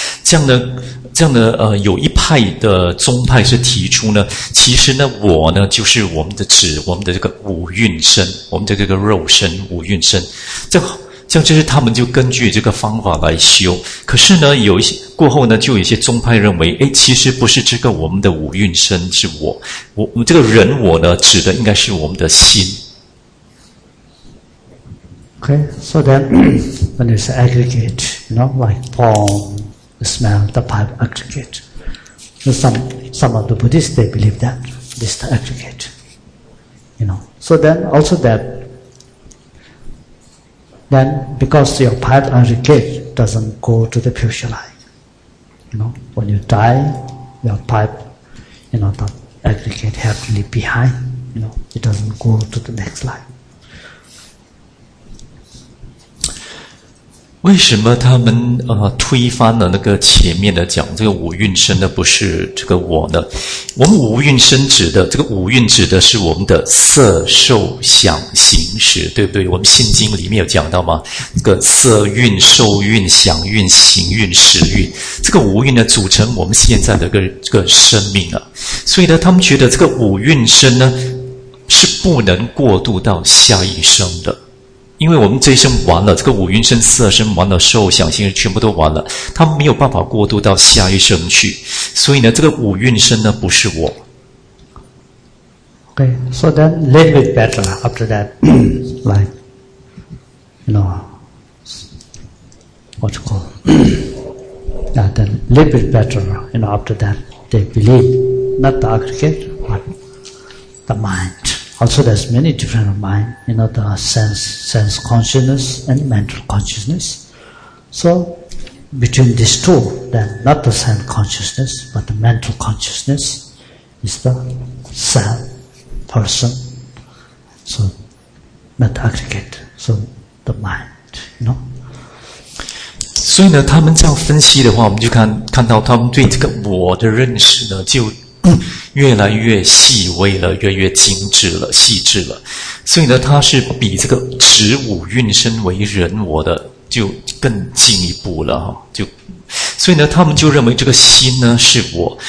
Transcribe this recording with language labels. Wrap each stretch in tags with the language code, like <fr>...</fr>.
<zh>这样呢，有一派的宗派是提出呢，其实呢，我呢就是我们的指，我们的这个五蕴身，我们的这个肉身五蕴身，像这是他们就根据这个方法来修。可是呢，有一些过后呢，就有一些宗派认为，诶，其实不是这个我们的五蕴身是我，我这个人我呢，指的应该是我们的心。</zh> <en>Okay, so then when it's aggregate, you know, like form, the smell, the five aggregate. Some of the Buddhists they believe that this is the aggregate, you know. So then also that. Then, because your path and regret doesn't go to the future life, you know, when you die, your path, you know, the aggregate have to leave behind, you know, it doesn't go to the next life.</en> <zh>为什么他们推翻了那个前面的讲这个五蕴身的不是这个我呢？我们五蕴身指的这个五蕴指的是我们的色受想行识，对不对？我们心经里面有讲到吗？这个色蕴、受蕴、想蕴、行蕴、识蕴，这个五蕴呢组成我们现在的这个生命啊。所以呢，他们觉得这个五蕴身呢是不能过渡到下一生的。因为我们这一生完了，这个五蕴身、色身完了，受想行识全部都完了，他没有办法过渡到下一生去，所以呢，这个五蕴身呢不是我。</zh> <en>Okay, so then a little bit better after that, like, you know, what you call? Yeah, then a little bit better, you know, after that, they believe not the aggregate, but the mind. Also, there's many different mind, you know, the sense consciousness and mental consciousness. So, between these two, then not the sense consciousness, but the mental consciousness is the self, person, so not aggregate, so the mind, you know.</en> <zh>所以呢，他们这样分析的话，我们就看到他们对这个我的认识呢，就越来越细微了，越来越精致了，细致了。所以呢，他是比这个指五蕴身为人我的就更进一步了，就所以呢，他们就认为这个心呢是我。</zh>